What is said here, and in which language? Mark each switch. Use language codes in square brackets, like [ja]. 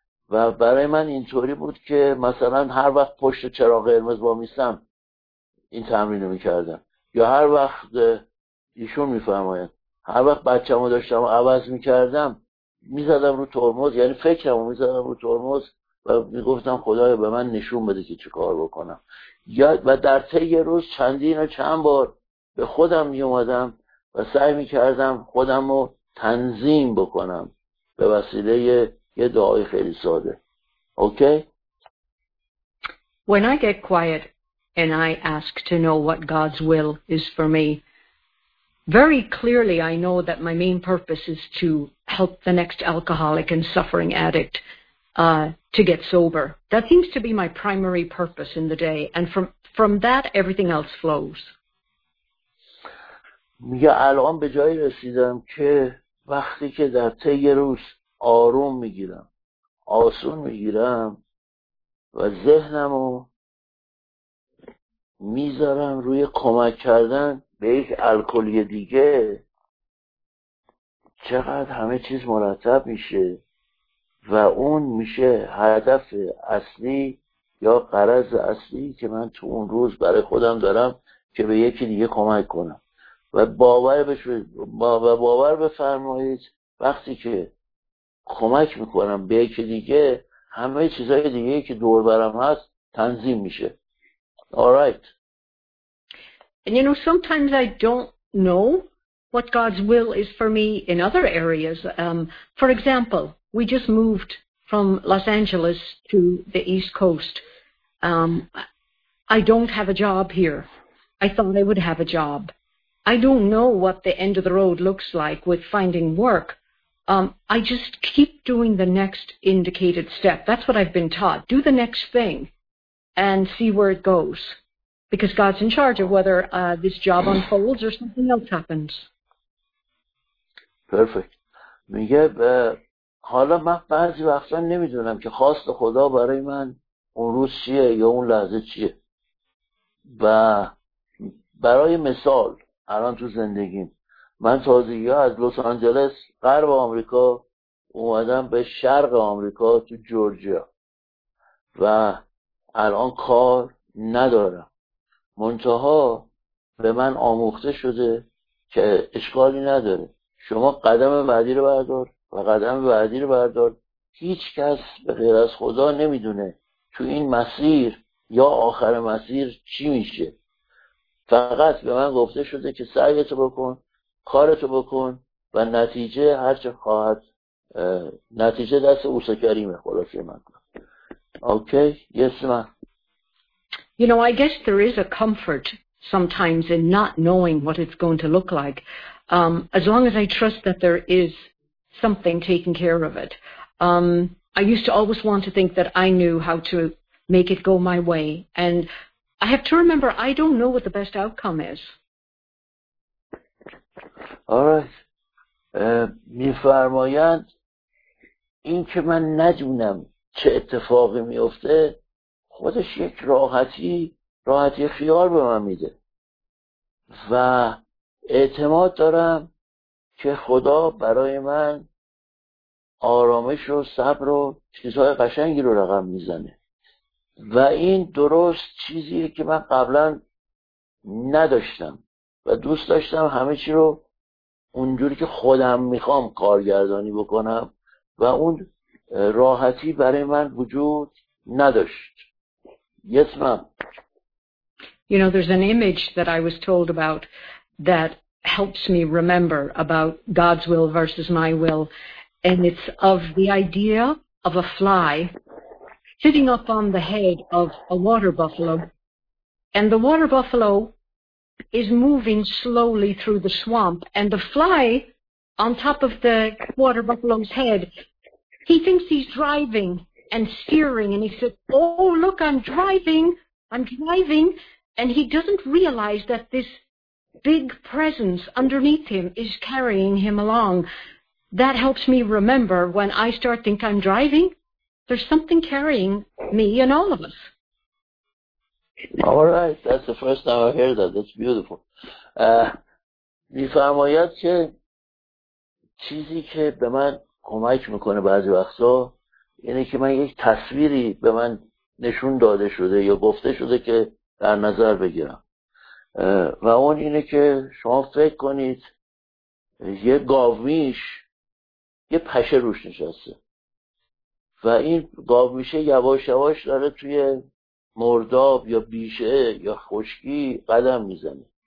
[fa] و برای من اینطوری بود که مثلا هر وقت پشت چراغ قرمز با میستم این تمرین رو میکردم، یا هر وقت ایشون میفرماید هر وقت بچه همو داشتم و عوض میکردم میزدم رو ترمز، یعنی فکرم رو میزدم رو ترمز و میگفتم خدایا به من نشون بده که چه کار بکنم. و در طی روز چندین و چند بار به خودم میومدم و سعی میکردم خودم رو تنظیم بکنم به وسیله یه دعای خیلی ساده. [en] Okay? When I get quiet and I ask to know what God's will is for me, very clearly, I know that my main purpose is to help the next alcoholic and suffering addict to get sober. That seems to be my primary purpose in the day, and from that, everything else flows. [fa] میگه الان به جایی رسیدم که وقتی که در طی روز آروم میگیرم، آسون میگیرم و ذهنمو میذارم روی کمک کردن به یک الکلی دیگه، چقدر همه چیز مرتب میشه و اون میشه هدف اصلی یا غرض اصلی که من تو اون روز برای خودم دارم که به یکی دیگه کمک کنم. و باور بفرمایید وقتی که کمک میکنم به یکی دیگه، همه چیزهای دیگه که دور برم هست تنظیم میشه. [en] Alright. And you know, sometimes I don't know what God's will is for me in other areas. For example, we just moved from Los Angeles to the East Coast. I don't have a job here. I thought I would have a job. I don't know what the end of the road looks like with finding work, I just keep doing the next indicated step. That's what I've been taught. Do the next thing and see where it goes. Because God's in charge of whether this job unfolds or something else happens. Perfect. [fa] میگه حالا من بعضی وقتا نمیدونم که خواست خدا برای من اون روز چیه یا اون لحظه چیه. و برای مثال الان تو زندگیم من تازگی‌ها از لس آنجلس غرب آمریکا اومدم به شرق آمریکا تو جورجیا و الان کار ندارم. منتها به من آموخته شده که اشکالی نداره. شما قدم بعدی رو بردار و قدم بعدی رو بردار. هیچ کس به غیر از خدا نمیدونه تو این مسیر یا آخر مسیر چی میشه. فقط به من گفته شده که سعیتو بکن، کارتو بکن و نتیجه هرچه خواهد، نتیجه دست اوسکریمه. [en] خلاصه من okay? Yes من. You know, I guess there is a comfort sometimes in not knowing what it's going to look like. As long as I trust that there is something taking care of it. I used to always want to think that I knew how to make it go my way. And I have to remember, I don't know what the best outcome is. All right. [fa] می‌فرمایند این که من ندونم چه اتفاقی می‌افته خودش یک راحتی خیال به من میده و اعتماد دارم که خدا برای من آرامش و صبر و چیزهای قشنگی رو رقم میزنه و این درست چیزیه که من قبلا نداشتم و دوست داشتم همه چی رو اونجوری که خودم میخوام کارگردانی بکنم و اون راحتی برای من وجود نداشت. [en] Yes, ma'am. You know, there's an image that I was told about that helps me remember about God's will versus my will. And it's of the idea of a fly sitting up on the head of a water buffalo. And the water buffalo is moving slowly through the swamp. And the fly on top of the water buffalo's head, he thinks he's driving and steering, and he said, oh, look, I'm driving, and he doesn't realize that this big presence underneath him is carrying him along. That helps me remember when I start think I'm driving, there's something carrying me and all of us. All right, that's the first time I hear that, that's beautiful. [fa] می‌فرماید که چیزی که به من کمک میکنه بعضی وقتا اینه که من یک تصویری به من نشون داده شده یا گفته شده که در نظر بگیرم و اون اینه که شما فکر کنید یه گاومیش یه پشه روش نشسته و این گاومیشه یواش یواش داره توی مرداب یا بیشه یا خشکی قدم میزنه.